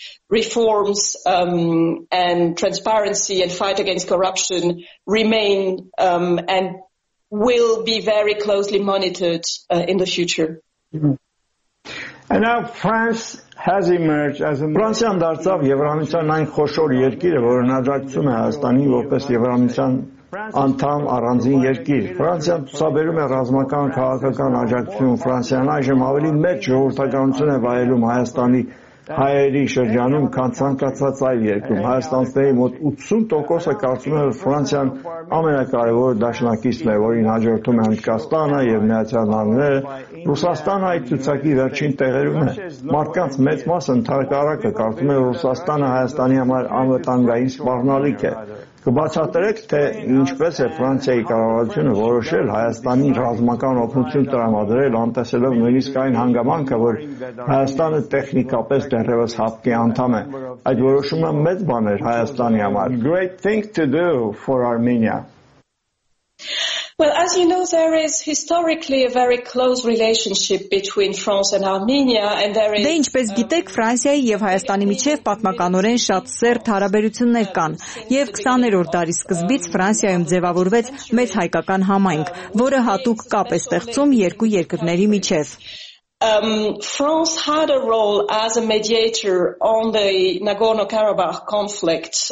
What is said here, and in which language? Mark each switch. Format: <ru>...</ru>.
<en>Reforms and transparency and fight against corruption remain and will be very closely monitored in the future. Mm-hmm. And now France has emerged as a</en> <hy>Ֆրանսիան դարձավ Եվրամիության այն խոշոր երկիրը, որը նաճակցում է Հայաստանի որպես Եվրամիության անդամ առանձին երկիր։ Ֆրանսիան ցուցաբերում է ռազմական քաղաքական աջակցություն։ Ֆրանսիան այժմ ավելի մեծ ժողովրդականություն է վայելում Հայաստանի հայերի շրջանում, քան ցանկացած այլ երկրում։ Հայաստանցների մոտ 80%-ը կարծում է, որ Ֆրանսիան ամենակարևոր դաշնակիցն է, որին հաջորդում է Հնդկաստանը և Միացյալ Նահանգները։ Ռուսաստանը այդ ցուցակի վերջին տեղերում է։ Մարդկանց մեծ մասը ընդհակառակը կարծում է, որ Ռուսաստանը Հայաստանի համար անվտանգային սպառնալիք է։ Կբացատրեք, թե ինչպես է Ֆրանսիայի կառավարությունը որոշել Հայաստանի ռազմական օգնություն տրամադրել, անտեսելով նույնիսկ այն հանգամանքը, որ Հայաստանը տեխնիկապես դեռևս հապկի անդամ է։ Այդ որոշումը մեծ բան էր Հայաստանի համար։</hy> <en>Great thing to do for Armenia. Well, as you know, there is historically a very close relationship between France and Armenia, and there is.</en> <hy>Դե ինչպես գիտեք, Ֆրանսիայի և Հայաստանի միջև պատմականորեն շատ սերտ հարաբերություններ կան, և 20-րդ դարի սկզբից Ֆրանսիայում ձևավորվեց մեծ հայկական համայնք, որը հատուկ կապ է ստեղծում երկու երկրների միջև.</hy> <en>France had a role as a mediator on the Nagorno-Karabakh conflict.</en>